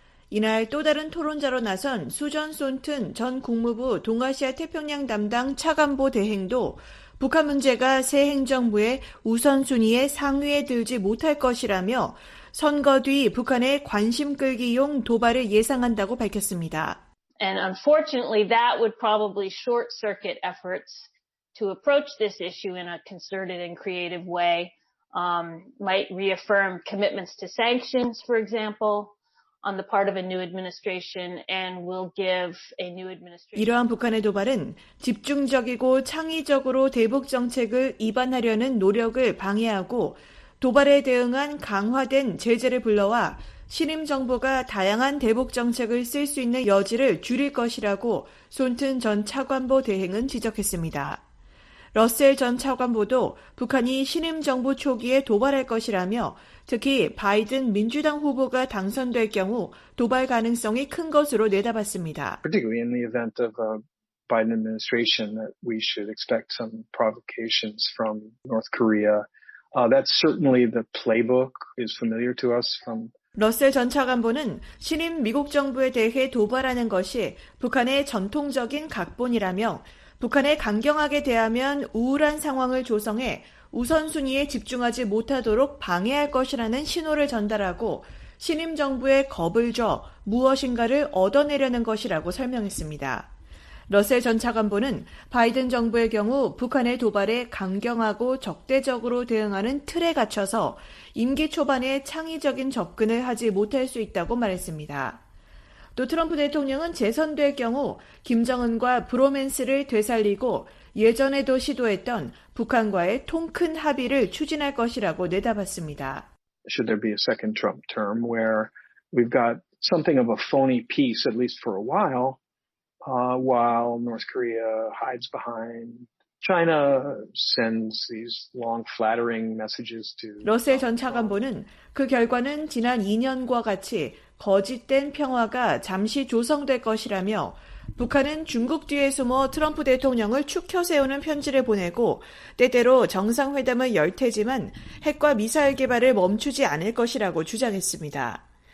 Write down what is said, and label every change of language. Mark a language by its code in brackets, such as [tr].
[ko] 이날 또 다른 토론자로 나선 수전 손튼 전 국무부 동아시아 태평양 담당 차관보 대행도 북한 문제가 새 행정부의 우선순위에 상위에 들지 못할 것이라며 선거 뒤 북한의 관심 끌기용 도발을 예상한다고 밝혔습니다. [en] And unfortunately that would probably short-circuit efforts to approach this issue in a concerted and creative way. Might reaffirm commitments to sanctions, for example, on the part of a new administration, and will give a new administration. [ko] 이러한 북한의 도발은 집중적이고 창의적으로 대북 정책을 이반하려는 노력을 방해하고 도발에 대응한 강화된 제재를 불러와 신임 정부가 다양한 대북 정책을 쓸 수 있는 여지를 줄일 것이라고 손튼 전 차관보 대행은 지적했습니다. 러셀 전 차관보도 북한이 신임 정부 초기에 도발할 것이라며 특히 바이든 민주당 후보가 당선될 경우 도발 가능성이 큰 것으로 내다봤습니다. [en] Particularly in the event of a Biden administration that we should expect some provocations from North Korea. That's certainly the playbook is familiar to us from [ko] 러셀 전 차관보는 신임 미국 정부에 대해 도발하는 것이 북한의 전통적인 각본이라며 북한에 강경하게 대하면 우울한 상황을 조성해 우선순위에 집중하지 못하도록 방해할 것이라는 신호를 전달하고 신임 정부에 겁을 줘 무엇인가를 얻어내려는 것이라고 설명했습니다. 러셀 전 차관보는 바이든 정부의 경우 북한의 도발에 강경하고 적대적으로 대응하는 틀에 갇혀서 임기 초반에 창의적인 접근을 하지 못할 수 있다고 말했습니다. 또 트럼프 대통령은 재선될 경우 김정은과 브로맨스를 되살리고 예전에도 시도했던 북한과의 통 큰 합의를 추진할 것이라고 내다봤습니다. [en] Should there be a second Trump term where we've got something of a phony peace at least for a while while North Korea hides behind China sends these long flattering messages to [ko] 러셀 전 차관보는 그 결과는 지난 2년과 같이 거짓된 평화가 잠시 조성될 것이라며 북한은 중국 뒤에 숨어 트럼프 대통령을 추켜세우는 편지를 보내고 때때로 정상회담을 열 테지만 핵과 미사일 개발을 멈추지 않을 것이라고 주장했습니다.